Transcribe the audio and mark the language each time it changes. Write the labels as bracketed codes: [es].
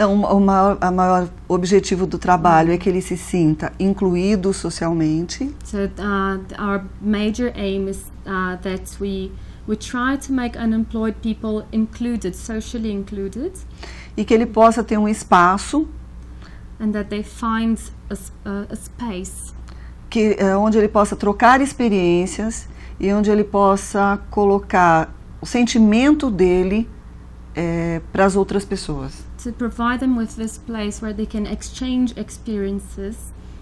[pt] O maior objetivo do trabalho é que ele se sinta incluído socialmente. [en] So, our major aim is that we try to make unemployed people included, socially included. [pt] E que ele possa ter um espaço. [en] And that they find a space [pt] que onde ele possa trocar experiências e onde ele possa colocar o sentimento dele para as outras pessoas. [en] To provide them with this place where they can exchange experiences